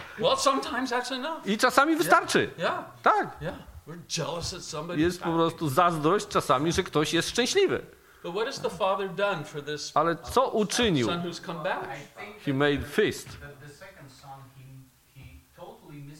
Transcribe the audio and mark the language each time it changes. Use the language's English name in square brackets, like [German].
[English] Well, sometimes that's enough. [Polish] I czasami wystarczy. [English] Yeah. [Polish] Tak. [English] Yeah. We're jealous that somebody. [Polish] Jest po prostu zazdrość czasami, że ktoś jest szczęśliwy. [English] But what has the father done for this? [Polish] Ale co uczynił? [English] Son who's come back. He made feast. The second son, he totally